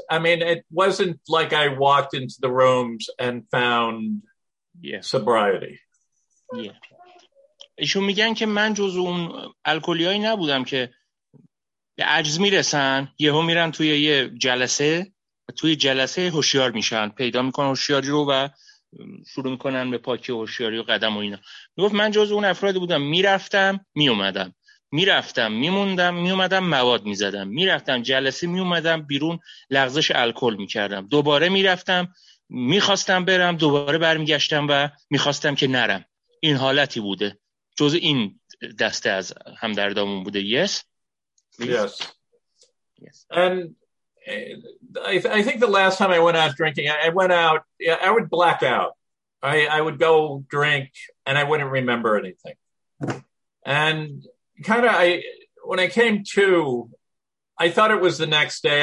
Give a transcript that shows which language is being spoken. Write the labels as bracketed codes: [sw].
[en] I mean, it wasn't like I walked into the rooms and found sobriety. [fa] ایشون میگن که من جز اون الکلیایی نبودم که به عجز میرسن یهو میرن توی یه جلسه و توی جلسه هوشیار میشن، پیدا میکنن هوشیاری رو و شروع میکنن به پاکی هوشیاری و قدم و اینا. میگفت من جز اون افرادی بودم، میرفتم میومدم، میرفتم میموندم، میومدم مواد میزدم، میرفتم جلسه میومدم بیرون لغزش الکل میکردم، دوباره میرفتم میخواستم برم، دوباره برمیگشتم و میخواستم که نرم. این حالتی بوده، جز این دسته از همدردامون بوده. [en] Yes. And I think the last time I went out drinking, I went out, I would black out. I would go drink and I wouldn't remember anything. And kind of when I came to, I thought it was the next day.